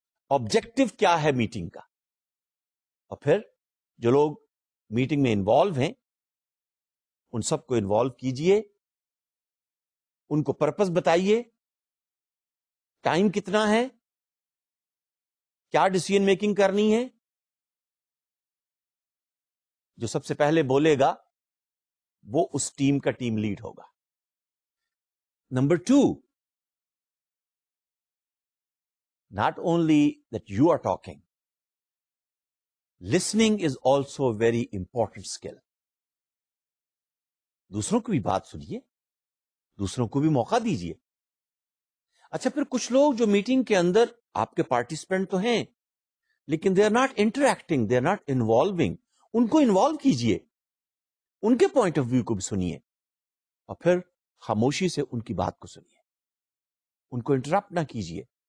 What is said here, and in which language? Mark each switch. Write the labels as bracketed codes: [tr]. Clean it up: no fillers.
[ur] Objective کیا ہے meeting کا, اور پھر جو لوگ میٹنگ میں انوالو ہیں ان سب کو انوالو کیجیے, ان کو پرپز بتائیے, ٹائم کتنا ہے, کیا ڈیسیژن میکنگ کرنی ہے, جو سب سے پہلے بولے گا وہ اس ٹیم کا ٹیم لیڈ ہوگا. [en] Number two, not only that you are talking, listening is also a very important skill. [ur] دوسروں کو بھی بات سنیے, دوسروں کو بھی موقع دیجیے. اچھا پھر کچھ لوگ جو میٹنگ کے اندر آپ کے پارٹیسپینٹ تو ہیں لیکن [en] they are not interacting, they are not involving, [ur] ان کو انوالو کیجیے, ان کے پوائنٹ آف ویو کو بھی سنیے, اور پھر خاموشی سے ان کی بات کو سنیے, ان کو انٹرپٹ نہ کیجیے.